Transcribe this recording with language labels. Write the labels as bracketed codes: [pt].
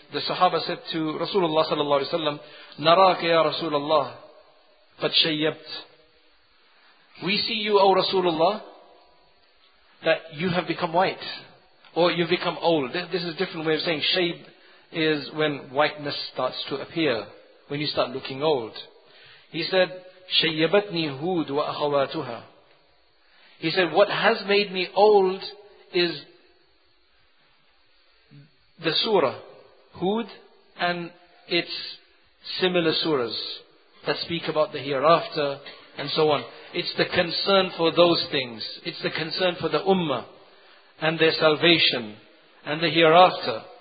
[en] The sahaba said to Rasulullah sallallahu alayhi wa sallam, [ar] نَرَاكَ يَا رَسُولَ اللَّهِ فَتْشَيَّبْتْ. [en] We see you, O Rasulullah, that you have become white, or you've become old. This is a different way of saying shayb is when whiteness starts to appear, when you start looking old. He said, [ar] شَيَّبَتْنِي هُود وَأَخَوَاتُهَا. [en] He said, what has made me old is the surah, Hud, and its similar surahs that speak about the hereafter and so on. It's the concern for those things. It's the concern for the ummah and their salvation and the hereafter.